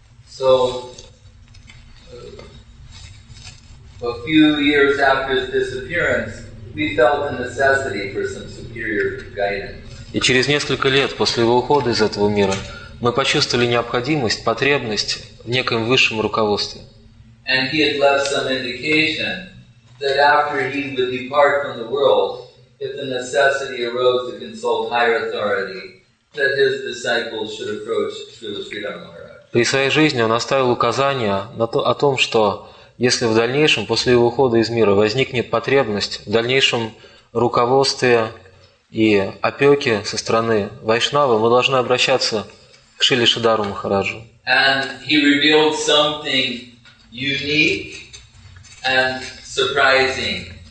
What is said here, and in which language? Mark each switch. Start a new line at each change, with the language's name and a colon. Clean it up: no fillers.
English: So, a few years after his disappearance, we felt the necessity for some superior guidance.
Russian: И через несколько лет после его ухода из этого мира мы почувствовали необходимость, потребность в неком высшем руководстве.
English: And he had left some indication that after he would depart from the world, if the necessity arose to consult higher authority, that his disciples should approach Srila Sridhara Maharaj.
Russian: При своей жизни он оставил указание на то, о том, что если в дальнейшем, после его ухода из мира, возникнет потребность в дальнейшем руководстве и опеке со стороны Вайшнавы, мы должны обращаться к Шриле Шридхару Махараджу.
English: And he revealed something unique and surprising.